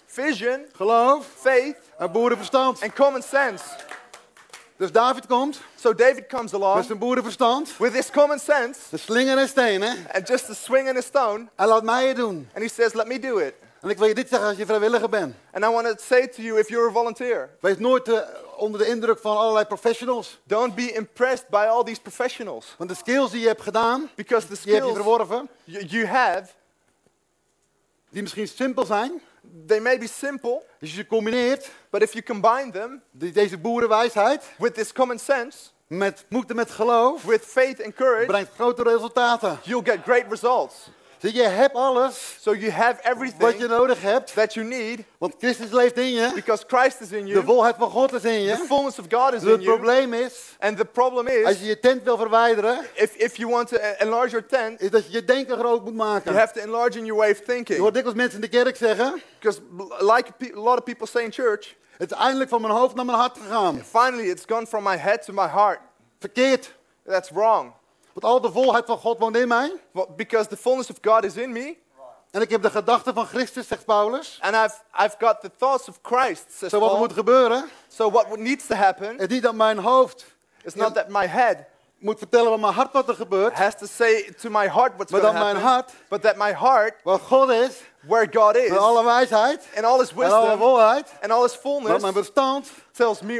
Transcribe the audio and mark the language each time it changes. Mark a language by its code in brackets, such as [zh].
[en] Vision. [nl] Geloof. [en] Faith. [nl] En boerenverstand. [en] And common sense. [nl] Dus David komt. [en] So David comes along. [nl] Met zijn boerenverstand. [en] With his common sense. [nl] De slinger en stenen. [en] And just a swing and a stone. [nl] En laat mij het doen. [en] And he says, let me do it. [nl] En ik wil je dit zeggen als je vrijwilliger bent. [en] And I want to say to you if you're a volunteer. [nl] Wees nooit onder de indruk van allerlei professionals. [en] Don't be impressed by all these professionals. [nl] Want de skills die je hebt gedaan. [en] Because the skills [nl] die heb je verworven. [en] You have. [nl] Die misschien simpel zijn. [en] They may be simple. [nl] Als je ze combineert. [en] But if you combine them. [nl] Deze boerenwijsheid. [en] With this common sense. [nl] Met moed en met geloof. [en] With faith and courage. [nl] Brengt grote resultaten. [en] You'll get great results. [nl] Dus je hebt alles. [en] So you have everything. [nl] Wat je nodig hebt. [en] That you need. [nl] Want Christus leeft in je. [en] Because Christ is in you. [nl] De volheid van God is in je. [en] The fullness of God is in [nl] you. Het probleem is. [en] And the problem is. [nl] Als je je tent wil verwijderen. [en] If you want to enlarge your tent. [nl] Is dat je je denken groot moet maken. [en] You have to enlarge in your way of thinking. [nl] Je hoort dikwijls mensen in de kerk zeggen. [en] Because like a lot of people say in church. [nl] Het is eindelijk van mijn hoofd naar mijn hart gegaan. [en] Finally it's gone from my head to my heart. [nl] Verkeerd. [en] That's wrong. [nl] Want al de volheid van God woont in mij. [en] Well, because the fullness of God is in me. [nl] En ik heb de gedachten van Christus, zegt Paulus. [en] And I've got the thoughts of Christ, says [nl] Paul. Zo wat moet gebeuren. [en] So what needs to happen. [nl] Het is niet dat mijn hoofd. [en] It's not that my head. [nl] Moet vertellen van mijn hart wat er gebeurt. [en] Has to say to my heart what's going to happen. [nl] Maar dat mijn hart. [en] But that my heart. [nl] Waar God is. [en] Where God is. [nl] Met alle wijsheid. [en] And all his wisdom. [nl] En alle volheid. [en] And all his fullness. [nl] Wat mijn verstand. [en] Tells me.